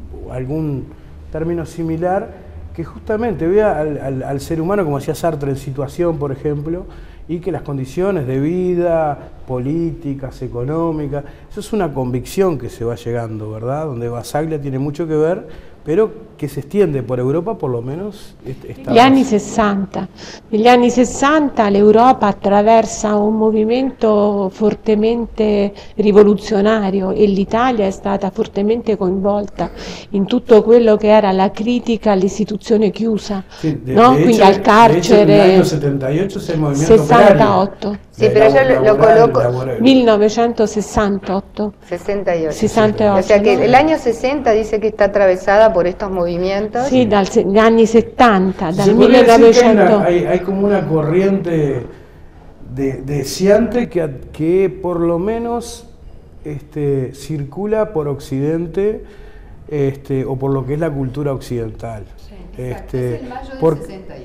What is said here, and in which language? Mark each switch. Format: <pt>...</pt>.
<es>algún término similar, que justamente vea al ser humano, como decía Sartre, en situación, por ejemplo, y que las condiciones de vida, políticas, económicas, eso es una convicción que se va llegando, ¿verdad? Donde Basaglia tiene mucho que ver, pero que se extiende por Europa, por lo menos.</es> <it>Negli anni 60 l'Europa attraversa un movimento fortemente rivoluzionario e l'Italia è stata fortemente coinvolta in tutto quello che era la critica all'istituzione chiusa, sì, no? Quindi al carcere. Nel 78 c'è il movimento 68.</it> <es>Operario.</es> <it>Sì, però</it> <es>lo coloco. 1968. 68. 68. O sea che no?</es> <it>L'anno 60 dice che sta attraversata per questi movimenti. Sí, dagli anni 70, dal 1900.</it> <es>Hay como una corriente de deseante que por lo menos circula por Occidente, o por lo que es la cultura occidental. Sí, es el mayo del 68.</es>